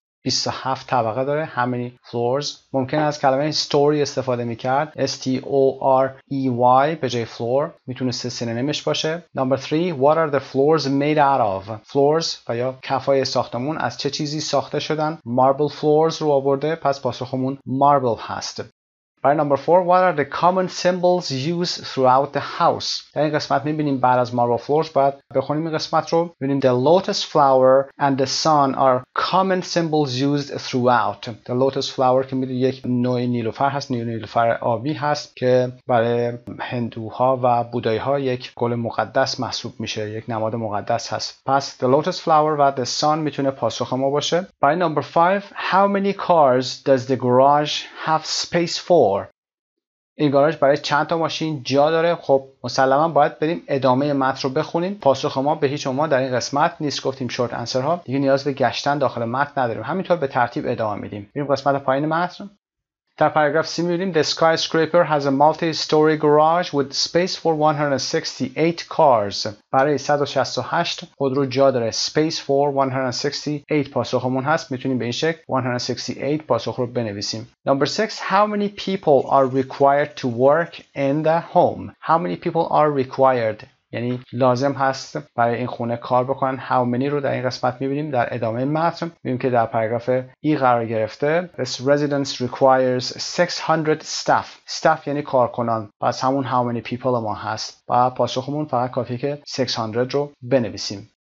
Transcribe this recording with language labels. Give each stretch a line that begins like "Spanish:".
Persian: 27 طبقه داره.
English: How many floors.
Persian: ممکن است کلمه story استفاده میکرد. STOREY به جای floor میتونسته سینونیمش باشه.
English: Number 3. What are the floors made out of.
Persian: Floors و یا کفای ساختمون از چه چیزی ساخته شدن. Marble floors رو آورده. پس پاسخمون marble هست. برای number 4.
English: What are the common symbols used throughout the house.
Persian: در این قسمت میبینیم بعد از marble floors باید بخونیم این قسمت رو.
English: ببینیم the lotus flower and the sun are common symbols used throughout.
Persian: The lotus flower که میدونی یک نوع نیلوفر هست، نوع نیلوفر آبی هست که برای هندوها و بودایی ها یک گل مقدس محسوب میشه، یک نماد مقدس هست. پس the lotus flower و the sun میتونه پاسخ ما باشه.
English: برای number 5 how many cars does the garage have space for.
Persian: این گاراژ برای چند تا ماشین جا داره. خب مسلما باید بریم ادامه متن رو بخونیم. پاسخ ما به هیچ شما در این قسمت نیست. گفتیم شورت انسر ها دیگه نیاز به گشتن داخل متن نداریم، همینطور به ترتیب ادامه میدیم. بریم قسمت پایین متن. در پاراگراف 3 می‌بینیم
English: the skyscraper has a multi-story garage with space for 168 cars.
Persian: برای 168 خودرو جا داره. space for 168 پاسخمون هست. میتونیم به این شکل 168 پاسخ رو بنویسیم.
English: number 6 how many people are required to work in the home. how many people are required
Persian: یعنی لازم هست برای این خونه کار بکنن. how many رو در این قسمت میبینیم. در ادامه متن میبینیم که در پاراگراف ای قرار گرفته.
English: this residence requires 600 staff. staff
Persian: یعنی کارکنان. پس همون how many people ما هست. با پاسخمون فقط کافیه که 600 رو بنویسیم.